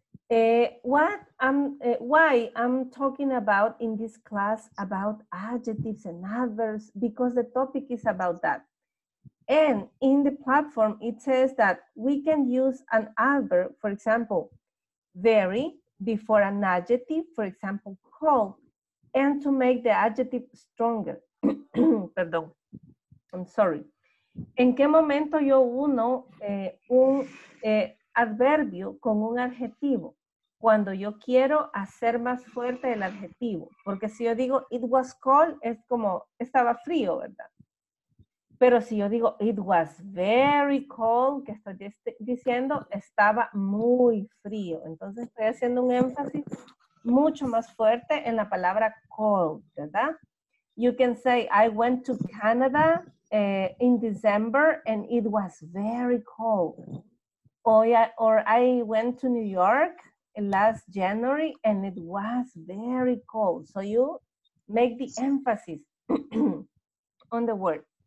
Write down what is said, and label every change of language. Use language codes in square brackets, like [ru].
[en] Why I'm talking about in this class about adjectives and adverbs, because the topic is about that. And in the platform, it says that we can use an adverb, for example, very, before an adjective, for example, cold, and to make the adjective stronger. [es] Perdón. [en] I'm sorry. [es] ¿En qué momento yo uno un adverbio con un adjetivo? Cuando yo quiero hacer más fuerte el adjetivo. Porque si yo digo, [en] it was cold, [es] es como, estaba frío, ¿verdad? Pero si yo digo, [en] it was very cold, [es] que estoy diciendo, estaba muy frío. Entonces estoy haciendo un énfasis mucho más fuerte en la palabra cold, ¿verdad? [en] You can say, I went to Canada in December and it was very cold. Or I went to New York last January and it was very cold. So you make the emphasis on the word.